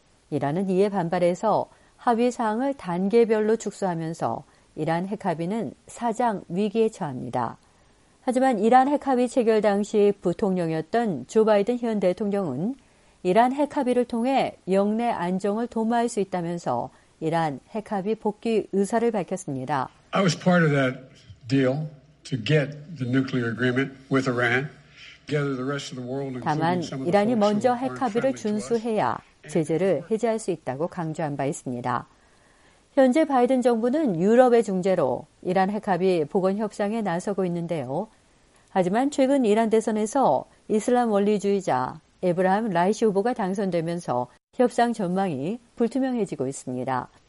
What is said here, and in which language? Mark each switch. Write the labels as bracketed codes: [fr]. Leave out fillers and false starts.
[ko] 이란은 이에 반발해서 합의 사항을 단계별로 축소하면서 이란 핵합의는 사상 위기에 처합니다. 하지만 이란 핵합의 체결 당시 부통령이었던 조 바이든 현 대통령은 이란 핵합의를 통해 영내 안정을 도모할 수 있다면서 이란 핵합의 복귀 의사를 밝혔습니다. [en] I was part of that deal to get the nuclear agreement with Iran. Gather the rest of the world. [ko] 다만 이란이 먼저 핵합의를 준수해야 제재를 해제할 수 있다고 강조한 바 있습니다. 현재 바이든 정부는 유럽의 중재로 이란 핵합의 복원 협상에 나서고 있는데요. 하지만 최근 이란 대선에서 이슬람 원리주의자 에브라함 라이시 후보가 당선되면서 협상 전망이 불투명해지고 있습니다.